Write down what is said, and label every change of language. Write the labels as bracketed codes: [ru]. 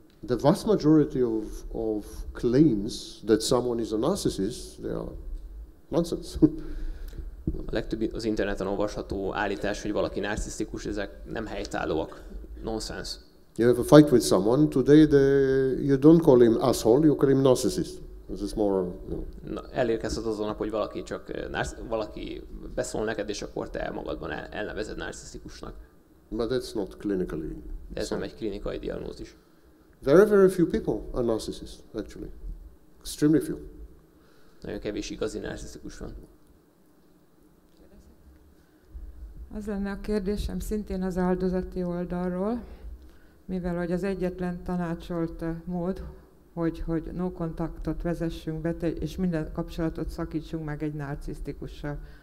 [en] The vast majority of claims that someone is a narcissist, they are nonsense. [hu] A legtöbb az interneten olvasható állítás, hogy valaki narcisztikus, ezek nem helytállóak. [en] Nonsense. You have a fight with someone, today you don't call him asshole, you call him narcissist. This is more, you know. [hu] Elérkezhet az a nap, hogy valaki csak valaki beszól neked, és akkor te magadban elnevezed narcisztikusnak. [en] But that's not clinically. [hu] De ez nem egy klinikai diagnózis. [en] Very, very few people are narcissists, actually. Extremely few. [hu] Nagyon kevés igazi narcisztikus van. Az lenne a kérdésem szintén az áldozati oldalról, mivel hogy az egyetlen tanácsolt mód, hogy no kontaktot vezessünk be, és minden kapcsolatot szakítsunk meg egy narcisztikussal.